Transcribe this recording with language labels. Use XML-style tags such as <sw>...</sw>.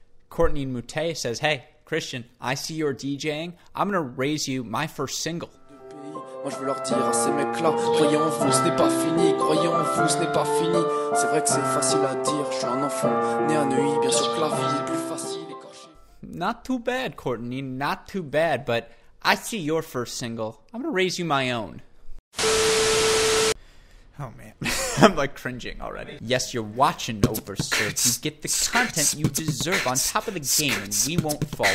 <en>Courtney Mute says, hey, Christian, I see you're DJing. I'm going to raise you my first single.</en> <fr>Moi, je veux leur dire à ces mecs-là, croyez en vous, ce n'est pas fini, croyez en vous, ce n'est pas fini. C'est vrai que c'est facile à dire, je suis un enfant, né à Neuilly, bien sûr que la vie est plus facile.</fr> <en>Not too bad, Courtney, not too bad, but I see your first single. I'm going to raise you my own. Oh, man. I'm like cringing already. Yes, you're watching Overserved. You get the content you deserve on top of the game, and we won't fall.</en>